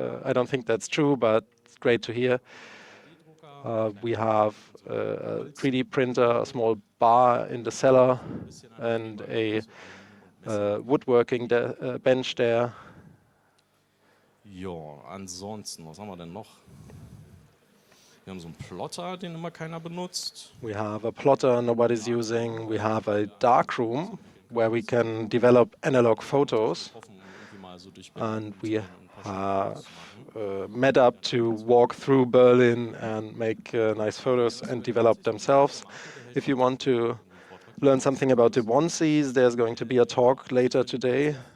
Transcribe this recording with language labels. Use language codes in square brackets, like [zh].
[en] I don't think that's true, but it's great to hear. We have a 3D printer, a small bar in the cellar, and a woodworking bench there. [de] Ja, ansonsten, was haben wir denn noch? Wir haben so einen Plotter, den immer keiner benutzt. [en] We have a plotter nobody's using. We have a darkroom where we can develop analog photos. And we have met up to walk through Berlin and make nice photos and develop themselves. If you want to learn something about the onesies, there's going to be a talk later today.